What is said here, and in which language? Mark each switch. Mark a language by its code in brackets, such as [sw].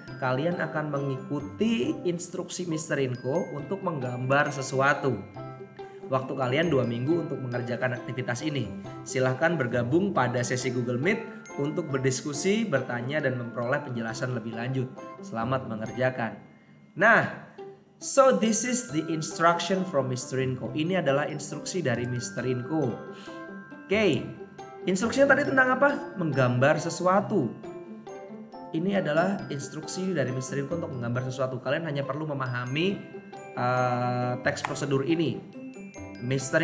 [id] Kalian akan mengikuti instruksi Mr. Rinko untuk menggambar sesuatu. Waktu kalian 2 minggu untuk mengerjakan aktivitas ini. Silahkan bergabung pada sesi Google Meet untuk berdiskusi, bertanya, dan memperoleh penjelasan lebih lanjut. Selamat mengerjakan. [en] Nah, so this is the instruction from Mr. Rinko. [id] Ini adalah instruksi dari Mr. Rinko. Okay. Instruksinya tadi tentang apa? Menggambar sesuatu. Ini adalah instruksi dari Mr. Rinko untuk menggambar sesuatu. Kalian hanya perlu memahami teks prosedur ini. Mr.